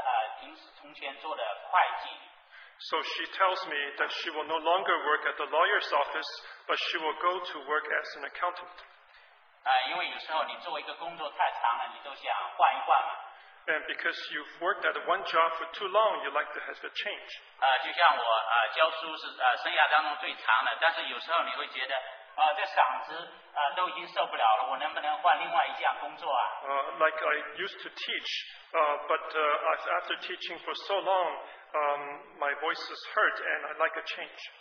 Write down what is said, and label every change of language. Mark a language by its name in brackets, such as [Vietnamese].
[Chinese] 她就跟我讲，她不做律师楼了，她要去做她的临时从前做的会计。 [English] So she tells me that she will no longer work at the lawyer's office, but she will go to work as an accountant. [Chinese] 因为有时候你做一个工作太长了，你都想换一换嘛。 [English] And because you've worked at one job for too long, you like to have a change. [Chinese] 就像我教书是生涯当中最长的，但是有时候你会觉得这嗓子都已经受不了了，我能不能换另外一项工作啊？ [English] Like I used to teach, but after teaching for so long, my voice is hurt and I like a change.